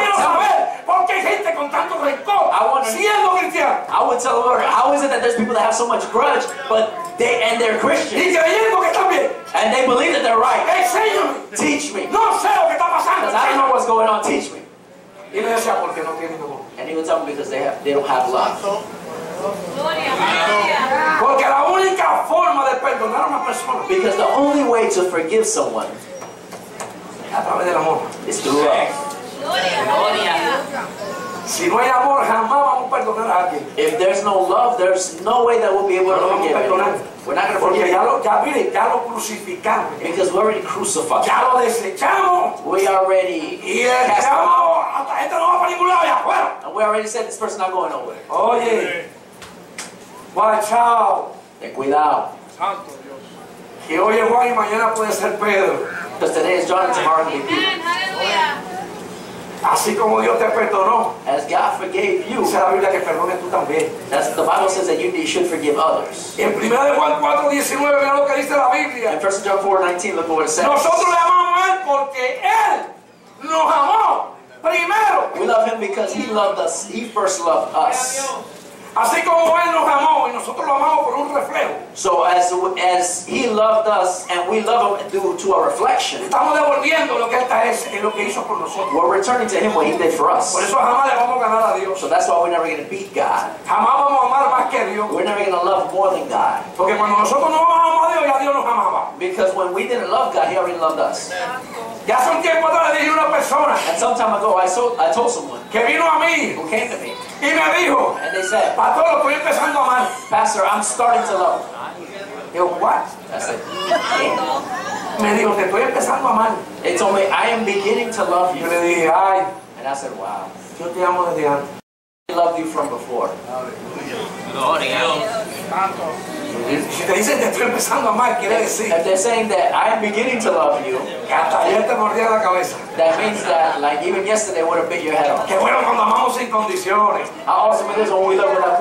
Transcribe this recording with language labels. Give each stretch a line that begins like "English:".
Spanish: quiero saber por qué hay gente con tanto rencor siendo cristiano.
English: I would tell the Lord, how is it that there's people that have so much grudge, but they, and they're Christians.
Spanish: Y creyendo que están bien.
English: And they believe that they're right.
Spanish: Enséñame.
English: Teach me.
Spanish: No sé lo que está pasando.
English: Because I don't know what's going on. Teach me.
Spanish: Y me decía, porque no tienen amor.
English: And he would tell me because they don't have love.
Spanish: Porque la única forma de perdonar a una persona.
English: Because the only way to forgive someone
Spanish: a través del amor
English: is through love.
Spanish: Gloria. Si no hay amor, jamás vamos a perdonar a alguien.
English: If there's no love, there's no way that we'll be able to forgive. We're not going to forgive.
Spanish: Ya lo crucificamos.
English: Because we're already crucified.
Spanish: Ya lo desechamos.
English: We already cast out.
Spanish: Este no va para ningún lado, ya fuera.
English: And we already said this person's not going nowhere. Oye. Watch out.
Spanish: Ten cuidado. Santo Dios. Que hoy es Juan y mañana puede ser Pedro.
English: Because today is John and tomorrow will be Peter. Hallelujah.
Spanish: Así como Dios te perdonó,
English: as God forgave you,
Spanish: dice la Biblia que perdones tú también.
English: That's the Bible says that you should forgive others.
Spanish: En 1 Juan 4:19, mira lo que dice la Biblia.
English: In 1 John 4:19, look what it says.
Spanish: Nosotros le amamos a Él porque Él nos amó primero.
English: We love Him because He loved us. He first loved us.
Spanish: Así como Él nos amó y nosotros lo amamos por un reflejo.
English: So as He loved us and we love Him due to a reflection.
Spanish: Estamos devolviendo lo que Él es y lo que hizo por nosotros.
English: We're returning to Him what He did for us.
Spanish: Por eso jamás le vamos a ganar a Dios.
English: So that's why we're never going to beat God.
Spanish: Jamás vamos a amar más que Dios.
English: We're never going to love more than God.
Spanish: Porque cuando nosotros no amamos a Dios, ya Dios nos amaba.
English: Because when we didn't love God, He already loved us.
Spanish: Ya hace un tiempo atrás le dije a una persona.
English: And some time ago, I told someone.
Spanish: Que vino a mí.
English: Who came to me.
Spanish: Y me dijo.
English: And they said.
Spanish: Pastor, estoy empezando a amar.
English: Pastor, I'm starting to love. He said, what? That's it.
Spanish: Me dijo, te estoy empezando a amar.
English: He told me, I am beginning to love you.
Spanish: Y le dije, ay.
English: And I said, wow.
Spanish: Yo te amo desde antes.
English: I loved you from before.
Spanish: Gloria. Si te dicen que estoy empezando a amar, quiere decir.
English: If they're saying that I am beginning to love you.
Spanish: Que hasta ayer te mordía la cabeza.
English: That means that, like, even yesterday would have bit your head off.
Spanish: Que bueno cuando amamos sin condiciones.
English: How awesome it is when we love without